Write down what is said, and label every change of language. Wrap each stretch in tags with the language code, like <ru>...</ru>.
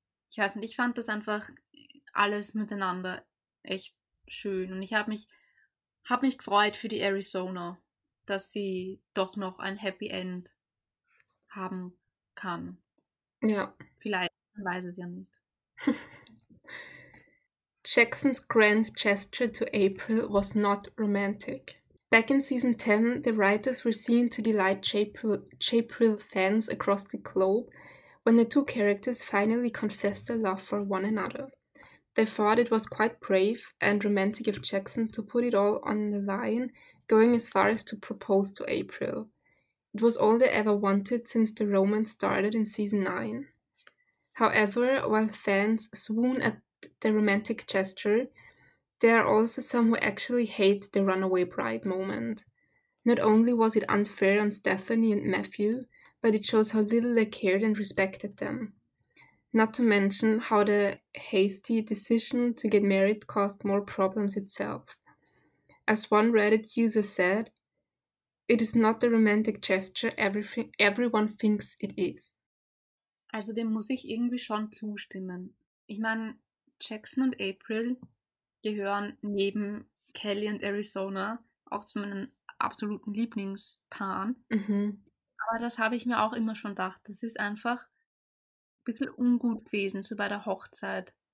<de>Ich weiß nicht, ich fand das einfach alles miteinander echt schön. Und ich hab mich gefreut für die Arizona, dass sie doch noch ein Happy End haben kann. Ja. Vielleicht, man weiß es ja nicht.</de> <en>Jackson's grand gesture to April was not romantic. Back in season 10, the writers were seen to delight April fans across the globe when the two characters finally confessed their love for one another. They thought it was quite brave and romantic of Jackson to put it all on the line, going as far as to propose to April. It was all they ever wanted since the romance started in season 9. However, while fans swoon at the romantic gesture, there are also some who actually hate the runaway bride moment. Not only was it unfair on Stephanie and Matthew, but it shows how little they cared and respected them. Not to mention how the hasty decision to get married caused more problems itself. As one Reddit user said, "It is not the romantic gesture everything everyone thinks it is."</en> <de>Also dem muss ich irgendwie schon zustimmen. Ich meine, Jackson und April gehören neben Kelly und Arizona auch zu meinen absoluten Lieblingspaaren. Aber das habe ich mir auch immer schon gedacht. Das ist einfach ein bisschen ungut gewesen, so bei der Hochzeit.</de>